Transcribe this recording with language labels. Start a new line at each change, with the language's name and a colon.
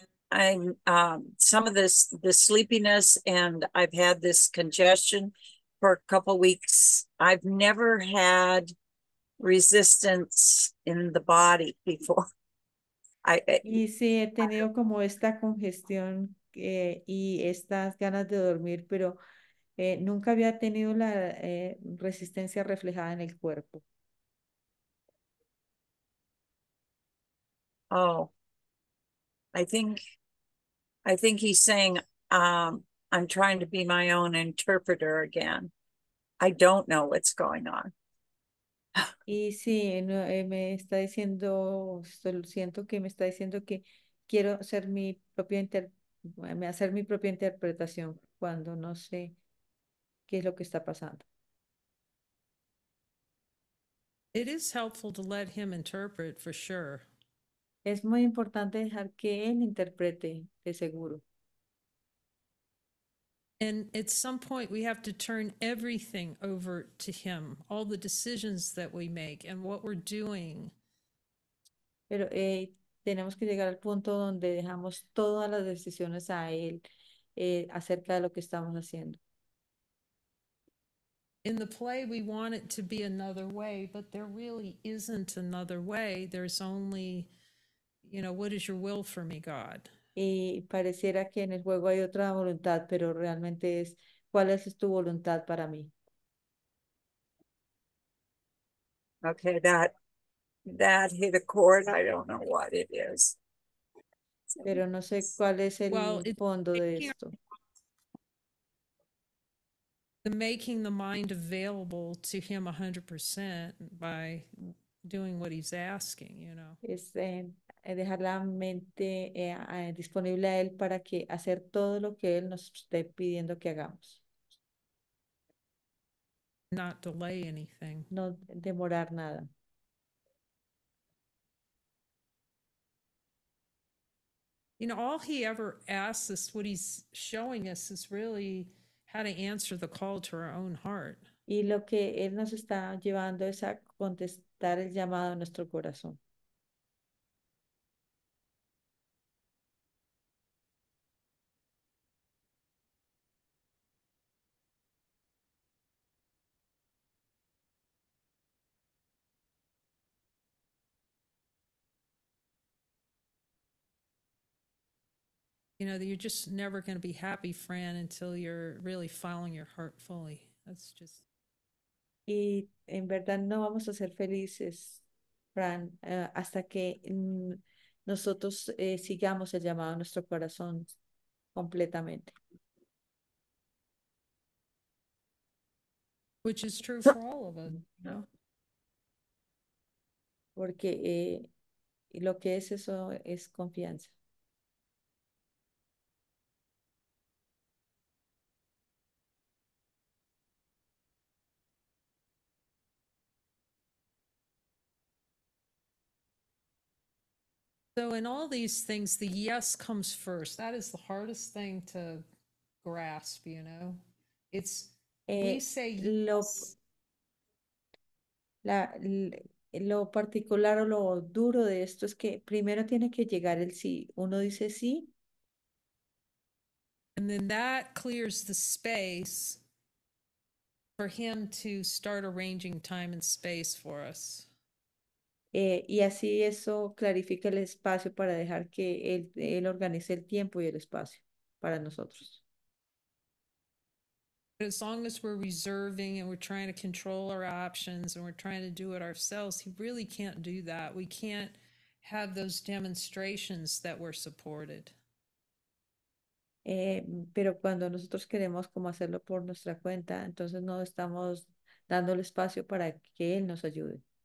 English: Some of this, the sleepiness, and I've had this congestion for a couple weeks. I've never had resistance in the body before.
Spanish: Y sí, he tenido como esta congestión y estas ganas de dormir, pero nunca había tenido la resistencia reflejada en el cuerpo.
English: Oh, I think he's saying I'm trying to be my own interpreter again. I don't know what's going on.
Spanish: Y sí, me está diciendo, siento que me está diciendo que quiero ser mi propia hacer mi propia interpretación cuando no sé qué es lo que está pasando.
English: It is helpful to let him interpret for sure.
Spanish: Es muy importante dejar que él interprete, de seguro.
English: And at some point we have to turn everything over to him, all the decisions that we make and what we're doing.
Spanish: Pero tenemos que llegar al punto donde dejamos todas las decisiones a él acerca de lo que estamos haciendo.
English: In the play we want it to be another way, but there really isn't another way. There's only, you know, what is your will for me, God?
Spanish: Y pareciera que en el juego hay otra voluntad, pero realmente es, ¿cuál es tu voluntad para mí?
English: Okay, that hit a chord. I don't know what it is.
Spanish: Pero no sé cuál es el fondo de esto.
English: The making the mind available to him 100% by doing what he's asking, you know.
Spanish: Es dejar la mente disponible a él para que hacer todo lo que él nos esté pidiendo que hagamos.
English: Not delay anything.
Spanish: No demorar nada.
English: You know, all he ever asks us, what he's showing us, is really how to answer the call to our own heart.
Spanish: Y lo que él nos está llevando es a contestar el llamado a nuestro corazón.
English: You know, you're just never going to be happy, Fran, until you're really following your heart fully. That's just.
Spanish: Y en verdad no vamos a ser felices, Fran, hasta que nosotros sigamos el llamado a nuestro corazón completamente.
English: Which is true for all of us, you know.
Spanish: Porque lo que es eso es confianza.
English: So in all these things, the yes comes first. That is the hardest thing to grasp, you know. It's we say yes.
Spanish: Lo particular o lo duro de esto es que primero tiene que llegar el sí. Uno dice sí.
English: And then that clears the space for him to start arranging time and space for us.
Spanish: Y así eso clarifica el espacio para dejar que él organice el tiempo y el espacio. para nosotros.
English: But as long as we're reserving and we're trying to control our options and we're trying to do it ourselves, he really can't do that. We can't have those demonstrations that were supported.
Spanish: Pero cuando nosotros queremos como hacerlo por nuestra cuenta, entonces no estamos dando el espacio para que él nos ayude.